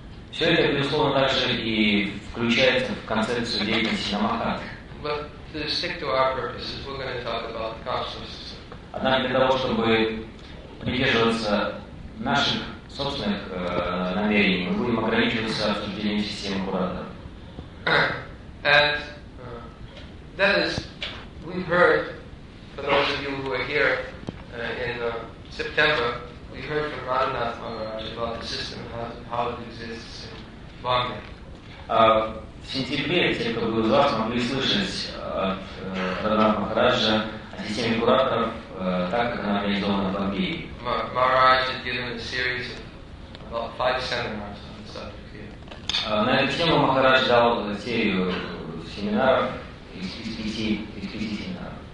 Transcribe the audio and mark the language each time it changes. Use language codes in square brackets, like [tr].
[ru] Все это, безусловно, также и включается в концепцию деятельности намаханты. [en] But to stick to our purposes, we're going to talk about the consciousness. [ru] Однако для того, чтобы придерживаться наших собственных намерений, мы будем ограничиваться обсуждением системы куратора. [en] And that is, we've heard, for those of you who are here in September, we heard from Radhanath Maharaj about the system, how it exists in Bombay. [ru] В сентябре те, кто был из вас, могли слышать от Радхана Махараджа о системе кураторов, так как она реализована в Бомбее. [en] Maharaj had given a series of about 5 seminars on the subject here. [ru] На эту тему Махарадж дал серию семинаров, из пяти семинаров.